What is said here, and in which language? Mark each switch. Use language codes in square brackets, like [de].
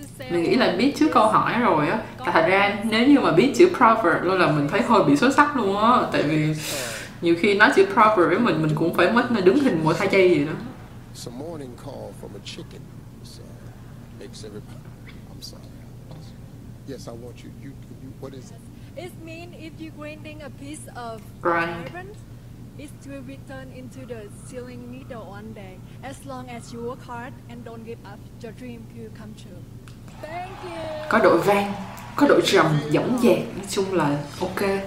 [vi] Mình nghĩ là biết trước câu hỏi rồi á. Thật ra nếu như mà biết chữ proverb luôn là mình thấy hơi bị xuất sắc luôn á. Tại vì nhiều khi nói chữ proverb với mình cũng phải mất nó đứng hình mỗi 2 giây vậy đó. [en] Some morning call from a chicken makes everybody. I'm sorry. Yes, I want you. You what is it? It means if you're grinding a piece of iron, it will return into the sewing needle one day. As long as you work hard and don't give up, your dream will come true. Thank you. [vi] Có độ vang, có độ trầm, dõng dạc, nói chung là ok.